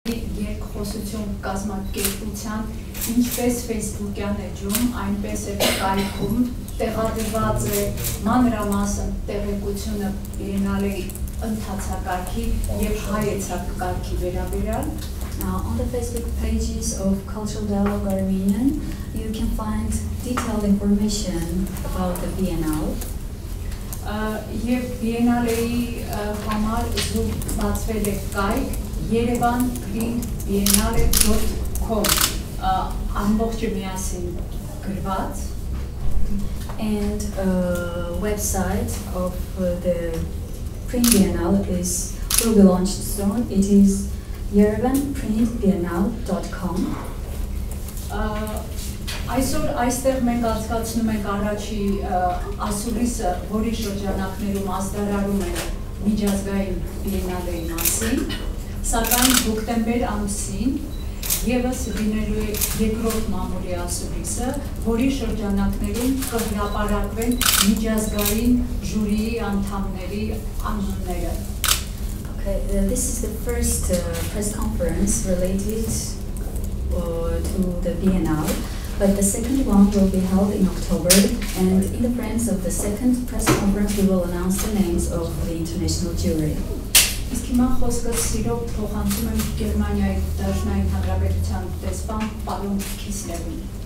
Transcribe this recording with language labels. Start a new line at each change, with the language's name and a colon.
Armenian: խոսություն կազմակերպության, ինչպես Facebook-յան էջում, այնպես էլ կայքում տեղադրված է մանրամասն տեղեկությունը բիենալե ընթացակարգի եւ հայեցակարգի վերաբերյալ.
English: Now, on the Facebook pages of Cultural Dialogue Armenian, you can find detailed information about the BNL.
Armenian: Եվ բիենալեի համար զուտ բացվել է կայք Երևան.BNL.com. Ամբողջը միասին գրված.
English: And website of the print BNL is will be launched soon. It is Yerevanprintbiennale.com.
Armenian: Այսօր այստեղ մենք անցկացնում ենք առաջի ասուլիսը, որի շրջանակներում ազդարարում են միջազգային բիենալեի մասին, սակայն հոկտեմբեր ամսին ևս լինելու է երկրորդ մամուլի ասուլիսը, որի շրջանակներում կհրապարակվեն միջազգային ժյուրիի անդամների անունները.
English: This is the first press conference related to the BNL, but the second one will be held in October, and in the presence of the second press conference we will announce the names of the international jury.
Armenian: Իսկ հիմա խոսքը սիրով փոխանցում եմ Գերմանիայի դաշնային հանրապետության դեսպան պարոն Քիսլերին.